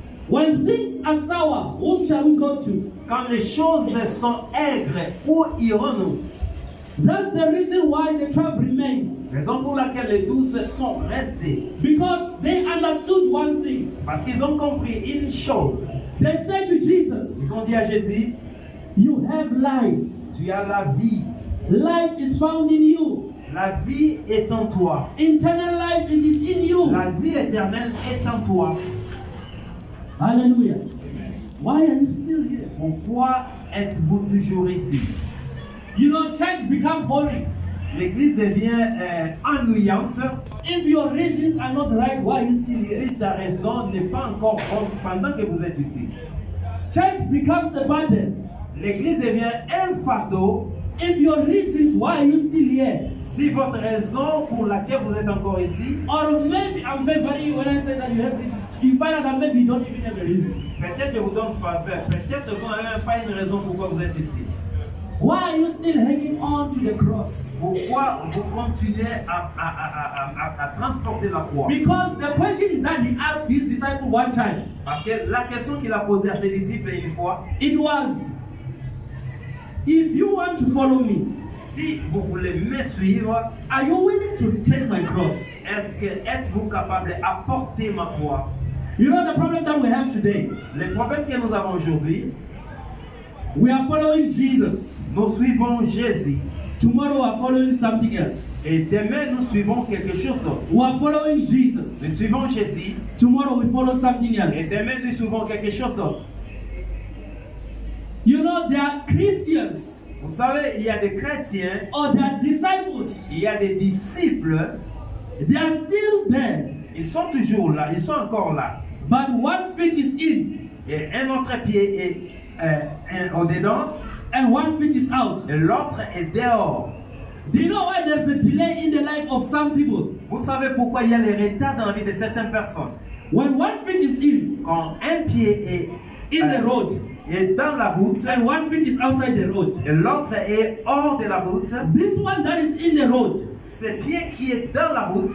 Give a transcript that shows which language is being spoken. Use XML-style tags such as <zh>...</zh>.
<en>When things are sour, whom shall we go to?</en> <fr>Quand les choses sont aigres, où irons-nous?</fr> <en>That's the reason why the 12 remain.</en> <fr>Raison pour laquelle les douze sont restés.</fr> <en>Because they understood one thing.</en> <fr>Parce qu'ils ont compris une chose.</fr> <en>They said to Jesus.</en> <fr>Ils ont dit à Jésus.</fr> <en>You have life.</en> <fr>Tu as la vie.</fr> <en>Life is found in you.</en> <fr>La vie est en toi.</fr> <en>Eternal life, it is in you.</en> <fr>La vie éternelle est en toi.</fr> <en>Alléluia. Why are you still here?</en> <fr>Pourquoi êtes-vous toujours ici?</fr> <en>You know, church become boring.</en> <fr>L'église devient ennuyante.</fr> <en>If your reasons are not right, why are you still here?</en> <fr>Si ta raison n'est pas encore bonne pendant que vous êtes ici.</fr> <en>Church becomes a burden.</en> <fr>L'église devient un fardeau.</fr> <en>If your reason is why you still here,</en> <fr>si votre raison pour laquelle vous êtes encore ici,</fr> <en>or maybe I'm favoring you when I say that you have reasons, you find out that maybe you don't even have a reason.</en> <fr>Peut-être je vous donne faveur. Peut-être vous n'avez même pas une raison pourquoi vous êtes ici.</fr> <en>Why are you still hanging on to the cross?</en> <fr>Pourquoi vous continuez à transporter la croix?</fr> <en>Because the question that he asked his disciple one time.</en> <fr>Parce que la question qu'il a posée à ses disciples une fois.</fr> <en>It was, if you want to follow me,</en> <fr>si vous voulez me suivre,</fr> <en>are you willing to take my cross?</en> <fr>Est-ce que êtes-vous capable de apporter ma croix?</fr> <en>You know the problem that we have today.</en> <fr>Le problème que nous avons aujourd'hui.</fr> <en>We are following Jesus.</en> <fr>Nous suivons Jésus.</fr> <en>Tomorrow we are following something else.</en> <fr>Et demain nous suivons quelque chose d'autre.</fr> <en>We are following Jesus.</en> <fr>Nous suivons Jésus.</fr> <en>Tomorrow we follow something else.</en> <fr>Et demain nous suivons quelque chose d'autre.</fr> <en>You know there are Christians.</en> <fr>Vous savez, il y a des chrétiens.</fr> <en>Or there are disciples.</en> <fr>Il y a des disciples.</fr> <en>They are still there.</en> <fr>Ils sont toujours là. Ils sont encore là.</fr> <en>But one foot is in.</en> <fr>Et un autre pied est au dedans.</fr> <en>And one foot is out.</en> <fr>Et l'autre est dehors.</fr> <en>Do you know why there's a delay in the life of some people?</en> <fr>Vous savez pourquoi il y a le retard dans la vie de certaines personnes?</fr> <en>When one foot is in,</en> <fr>quand un pied est</fr> <en>in the road,</en> <fr>et dans la route,</fr> <en>and one foot is outside the road,</en> <fr>et l'autre est hors de la route,</fr> <en>this one that is in the road,</en> <fr>ce pied qui est dans la route,</fr>